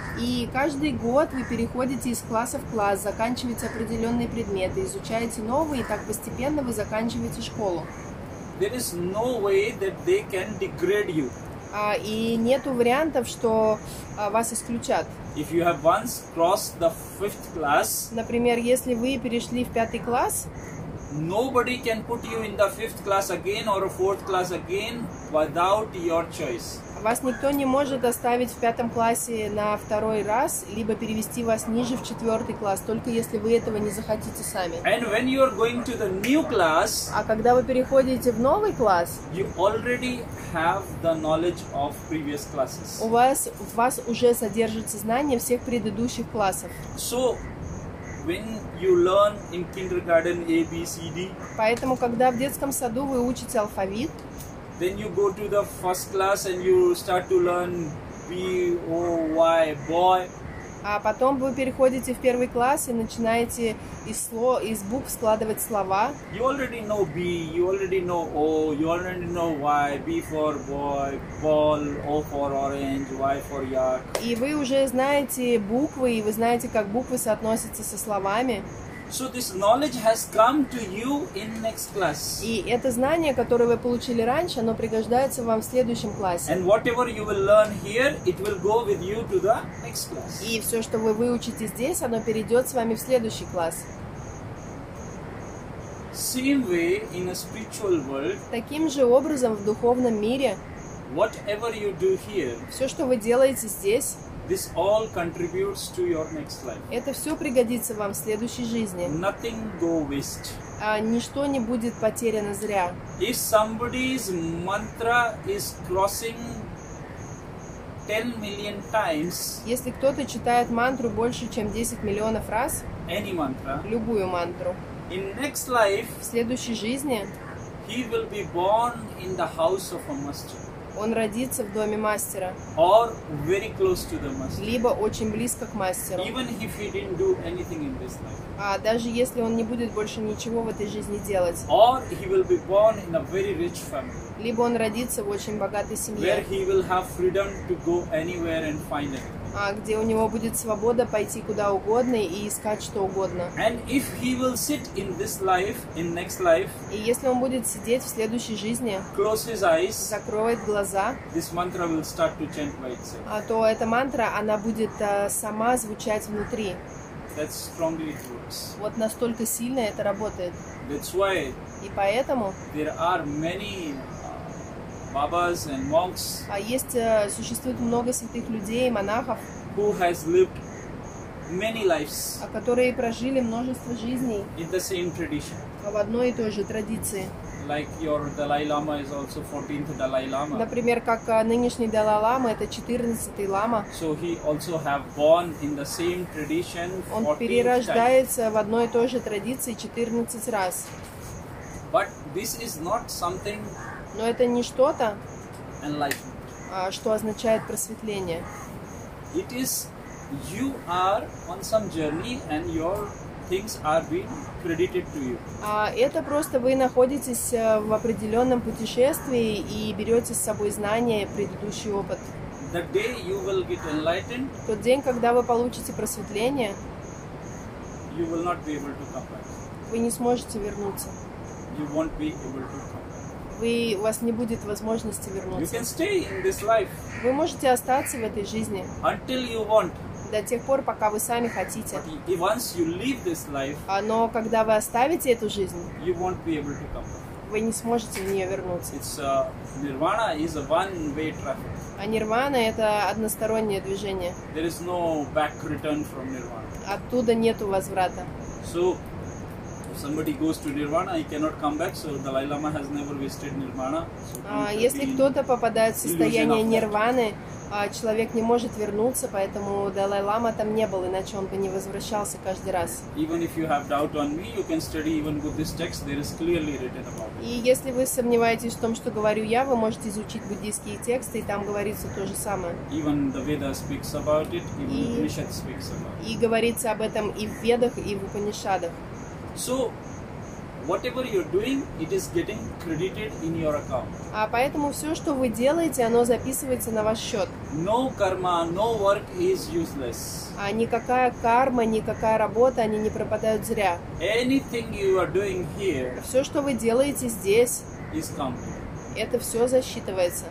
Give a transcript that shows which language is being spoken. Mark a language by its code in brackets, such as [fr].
[ru] И каждый год вы переходите из класса в класс, заканчиваете определенные предметы, изучаете новые, и так постепенно вы заканчиваете школу. [en] There is no way that they can degrade you. [ru] И нету вариантов, что вас исключат. [en] If you have once crossed the fifth class, [ru] например, если вы перешли в пятый класс, [en] nobody can put you in the fifth class again or a fourth class again without your choice. [ru] Вас никто не может оставить в пятом классе на второй раз, либо перевести вас ниже в четвертый класс, только если вы этого не захотите сами. [en] And when you are going to the new class, [ru] а когда вы переходите в новый класс, [en] you already have the knowledge of previous classes. [ru] У вас уже содержится знание всех предыдущих классов. [en] So, when you learn in kindergarten A, B, C, D, [ru] поэтому, когда в детском саду вы учите алфавит, [en] then you go to the first class and you start to learn B, O, Y, boy. [ru] А потом вы переходите в первый класс и начинаете из букв складывать слова. [en] You already know B, you already know O, you already know Y, B for boy, ball, O for orange, Y for yak. [ru] И вы уже знаете буквы, и вы знаете, как буквы соотносятся со словами. [en] So this knowledge has come to you in next class. [ru] И это знание, которое вы получили раньше, оно пригождается вам в следующем классе. [en] And whatever you will learn here, it will go with you to the next class. [ru] И все, что вы выучите здесь, оно перейдет с вами в следующий класс. [en] Same way in a spiritual world. [ru] Таким же образом в духовном мире. [en] Whatever you do here. [ru] Все, что вы делаете здесь. [en] This all contributes to your next life. [ru] Это все пригодится вам в следующей жизни. [en] Nothing go waste. [ru] Ничто не будет потеряно зря. [en] If somebody's mantra is crossing 10 million times. [ru] Если кто-то читает мантру больше, чем 10 миллионов раз. [en] Any mantra. [ru] Любую мантру. [en] In next life. [ru] В следующей жизни. [en] He will be born in the house of a master. [ru] Он родится в доме мастера. [en] Or very close to the master. [ru] Либо очень близко к мастеру. [en] Even if he didn't do anything in this life. [ru] Даже если он не будет больше ничего в этой жизни делать. [en] Or he will be born in a very rich family. [ru] Либо он родится в очень богатой семье. [en] Where he will have freedom to go anywhere and find anything. [ru] Где у него будет свобода пойти куда угодно и искать что угодно. [en] And if he will sit in this life, in next life, [ru] и если он будет сидеть в следующей жизни, [en] close his eyes, [ru] закроет глаза, [en] this mantra will start to chant by itself. [ru] То эта мантра, она будет сама звучать внутри. [en] That's strongly true. [ru] Вот настолько сильно это работает. [en] That's why. [ru] И поэтому. [en] There are many Babas and monks. [ru] Существует много святых людей, монахов. [en] Who has lived many lives. [ru] Которые прожили множество жизней. [en] In the same tradition. [ru] В одной и той же традиции. [en] Like your Dalai Lama is also 14th Dalai Lama. [ru] Например, как нынешний Далай Лама, это 14-й лама. [en] So he also have born in the same tradition. [ru] Он перерождается в одной и той же традиции 14 раз. [en] But this is not something. [ru] Но это не что-то, что означает просветление. [en] It is you are on some journey and your things are being credited to you. [ru] Это просто вы находитесь в определенном путешествии и берете с собой знания, предыдущий опыт. [en] The day you will get enlightened. [ru] Тот день, когда вы получите просветление. [en] You will not be able to come back. [ru] Вы не сможете вернуться. [en] You won't be able to come. [ru] У вас не будет возможности вернуться. [en] You can stay in this life. [ru] Вы можете остаться в этой жизни. [en] Until you want. [ru] До тех пор, пока вы сами хотите. [en] But once you leave this life, [ru] но когда вы оставите эту жизнь, [en] you won't be able to come. [ru] Вы не сможете в нее вернуться. [en] It's nirvana is a one-way traffic. [ru] А нирвана — это одностороннее движение. [en] There is no back return from nirvana. [ru] Оттуда нету возврата. [en] So, somebody goes to Nirvana, he cannot come back, so Dalai Lama has never visited Nirvana. [ru] Если кто-то попадает в состояние нирваны, человек не может вернуться, поэтому Далай Лама там не был, иначе он бы не возвращался каждый раз. [en] Even if you have doubt on me, you can study even Buddhist texts, there is clearly written about it. [ru] И если вы сомневаетесь в том, что говорю я, вы можете изучить буддийские тексты, и там говорится то же самое. [en] Even the Veda speaks about it, even the Upanishad speaks about it. [ru] И говорится об этом и в Ведах, и в Упанишадах. [en] So, whatever you're doing, it is getting credited in your account. [ru] А поэтому все, что вы делаете, оно записывается на ваш счет. [en] No karma, no work is useless. [ru] А никакая карма, никакая работа, они не пропадают зря. [en] Anything you are doing here. [ru] Все, что вы делаете здесь. [en] Is complete. [ru] Это все засчитывается.